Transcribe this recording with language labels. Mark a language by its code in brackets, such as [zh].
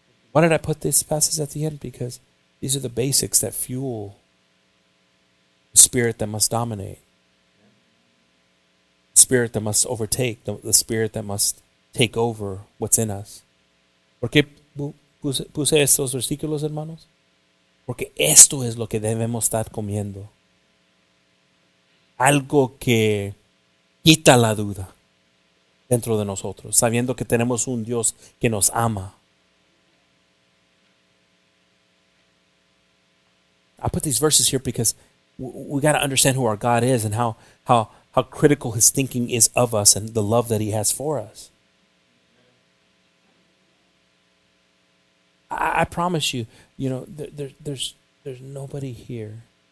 [en] Why did I put this passage at the end? Because these are the basics that fuel the spirit that must dominate, the spirit that must overtake, the spirit that must take over what's in us. [es] ¿Por qué puse estos versículos, hermanos? Porque esto es lo que debemos estar comiendo. Algo que quita la duda dentro de nosotros, sabiendo que tenemos un Dios que nos ama. [en] I put these verses here because we got to understand who our God is and how critical his thinking is of us and the love that he has for us. I promise you, you know, there's nobody here.